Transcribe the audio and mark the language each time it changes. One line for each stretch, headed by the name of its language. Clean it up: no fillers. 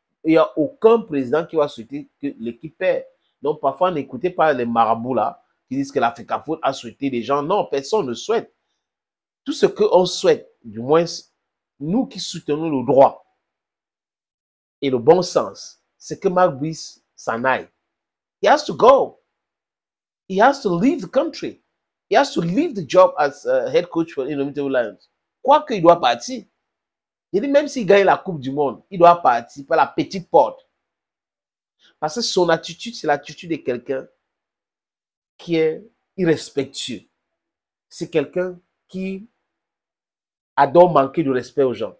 French: Il n'y a aucun président qui va souhaiter que l'équipe perd. Donc parfois, n'écoutez pas les marabouts là qui disent que la FECAFO a souhaité des gens. Non, personne ne souhaite. Tout ce qu'on souhaite, du moins nous qui soutenons le droit et le bon sens, c'est que Marc Brice s'en aille.
English: He has to go. He has to leave the country. He has to leave the job as head coach for Indomitable Lions.
French: Quoi qu'il doit partir. Il dit même s'il gagne la Coupe du Monde, il doit partir par la petite porte. Parce que son attitude, c'est l'attitude de quelqu'un qui est irrespectueux. C'est quelqu'un qui adore manquer de respect aux gens.